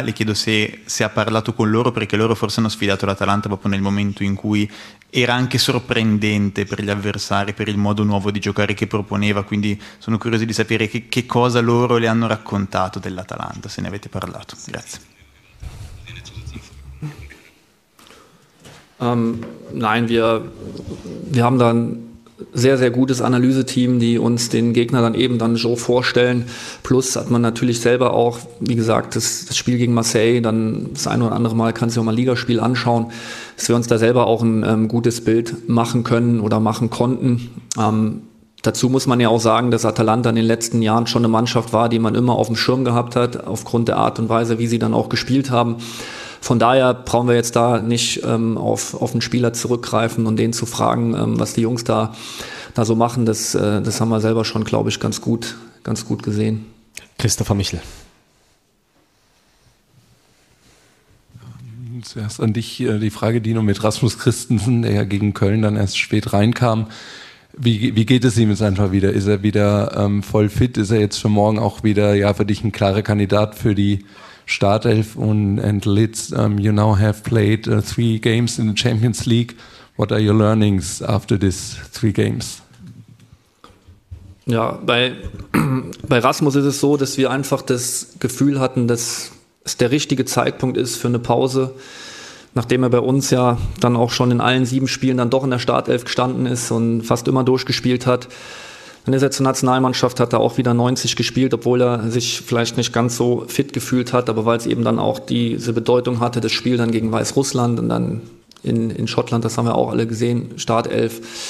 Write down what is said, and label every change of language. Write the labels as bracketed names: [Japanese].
[Italian] Le chiedo se ha parlato con loro, perché loro forse hanno sfidato l'Atalanta proprio nel momento in cui era anche sorprendente per gli avversari, per il modo nuovo di giocare che proponeva. Quindi sono curioso di sapere che cosa loro le hanno raccontato dell'Atalanta, se ne avete parlato. Grazie. [German] Nein, wir haben da ein sehr, sehr gutes Analyseteam, die uns den Gegner dann eben dann so vorstellen. Plus hat man natürlich selber auch, wie gesagt, das Spiel gegen Marseille, dann das ein oder andere Mal kannst du dir mal ein Ligaspiel anschauen, dass wir uns da selber auch ein gutes Bild machen können oder machen konnten. Dazu muss man ja auch sagen, dass Atalanta in den letzten Jahren schon eine Mannschaft war, die man immer auf dem Schirm gehabt hat, aufgrund der Art und Weise, wie sie dann auch gespielt haben. Von daher brauchen wir jetzt da nicht auf den Spieler zurückgreifen und den zu fragen, was die Jungs da so machen. Das haben wir selber schon, glaube ich, ganz gut gesehen. Christopher Michel. Zuerst an dich die Frage, Dino, mit Rasmus Christensen, der ja gegen Köln dann erst spät reinkam. Wie geht es ihm jetzt einfach wieder? Ist er wieder voll fit? Ist er jetzt für morgen auch wieder für dich ein klarer Kandidat für die Startelf und Leeds? [English] You now have played three games in the Champions League. What are your learnings after these three games? [German] Ja, bei Rasmus ist es so, dass wir einfach das Gefühl hatten, dass es der richtige Zeitpunkt ist für eine Pause. Nachdem er bei uns ja dann auch schon in allen 7 Spielen dann doch in der Startelf gestanden ist und fast immer durchgespielt hat, dann ist er zur Nationalmannschaft, hat er auch wieder 90 gespielt, obwohl er sich vielleicht nicht ganz so fit gefühlt hat, aber weil es eben dann auch diese Bedeutung hatte, das Spiel dann gegen Weißrussland und dann in Schottland, das haben wir auch alle gesehen, Startelf.